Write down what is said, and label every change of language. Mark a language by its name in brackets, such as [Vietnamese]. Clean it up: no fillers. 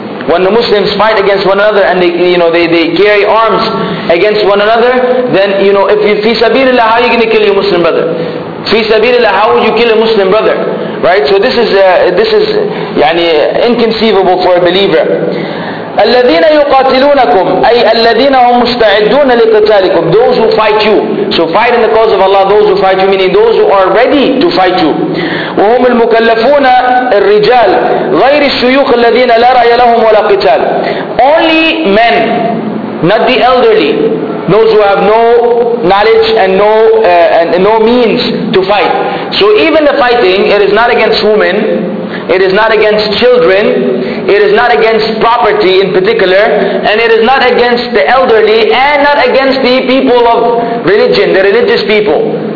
[English] When the Muslims fight against one another and they carry arms against one another, then, you know, if you fi sabilillah, how are you going to kill your Muslim brother? Fi sabilillah, how would you kill a Muslim brother? Right? So this is يعني, inconceivable for a believer. [Arabic] الذين يقاتلونكم أي الذين هم مستعدون لقتالكم. [English] Those who fight you. So fight in the cause of Allah those who fight you, meaning those who are ready to fight you. [Arabic] وهم المكلفون الرجال غير الشيوخ الذين لا رأي لهم ولا قتال. [English] Only men, not the elderly, those who have no knowledge and no means to fight. So even the fighting, it is not against women, it is not against children, it is not against property in particular, and it is not against the elderly, and not against the people of religion, the religious people.